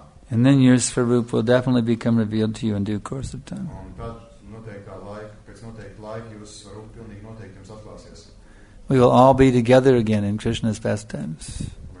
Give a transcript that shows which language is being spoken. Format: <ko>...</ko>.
<en>And then your svarup will definitely become revealed to you in due course of time.</en> <lv>Un tad noteiktā laika, pēc noteikta laika, jūsu svarup pilnīgi noteikti jums atklāsies.</lv> <en>We will all be together again in Krishna's pastimes.</en>